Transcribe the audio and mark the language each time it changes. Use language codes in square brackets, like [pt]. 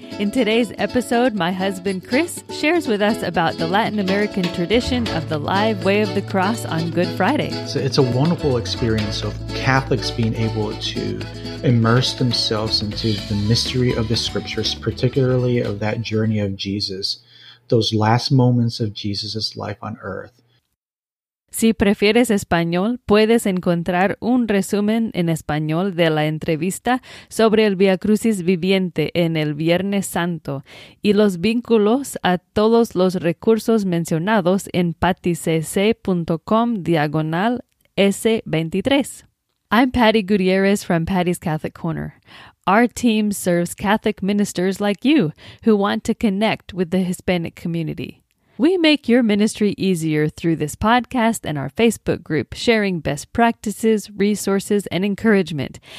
[en] In today's episode, my husband Chris shares with us about the Latin American tradition of the live way of the cross on Good Friday. So it's a wonderful experience of Catholics being able to immerse themselves into the mystery of the scriptures, particularly of that journey of Jesus, those last moments of Jesus' life on earth. [es] Si prefieres español, puedes encontrar un resumen en español de la entrevista sobre el Via Crucis Viviente en el Viernes Santo y los vínculos a todos los recursos mencionados en patticc.com/S23. [en] I'm Patty Gutierrez from Patty's Catholic Corner. Our team serves Catholic ministers like you who want to connect with the Hispanic community. We make your ministry easier through this podcast and our Facebook group, sharing best practices, resources, and encouragement.